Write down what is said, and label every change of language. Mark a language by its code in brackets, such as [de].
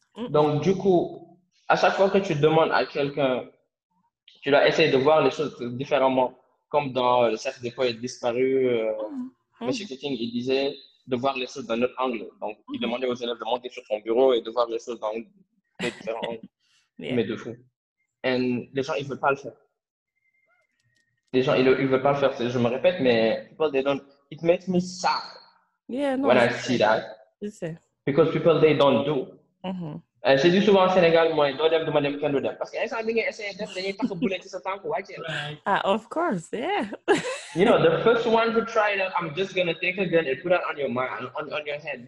[fr] Donc du coup, à chaque fois que tu demandes à quelqu'un, tu dois essayer de voir les choses différemment, comme dans le cercle des poètes disparus. Monsieur Keating, il disait de voir les choses d'un autre angle. Donc il demandait aux élèves de monter sur son bureau et de voir les choses dans un différent angle. [en] Yeah. [fr] Mais de fou. Et les gens, ils ne veulent pas le faire. Les gens, ils ne veulent pas le faire. Je me répète, mais [en] people, they don't... It makes me sad when I see that. Because people, they don't do. [fr] J'ai dit souvent en Sénégal, moi, je dois demander quelqu'un d'autre. Parce qu'ils sont en train d'essayer d'être, ils n'ont pas de boulot de ce temps. [en] Of course, yeah. You know, the first one to try it, I'm just going to take a gun and put it on your mind, on your head.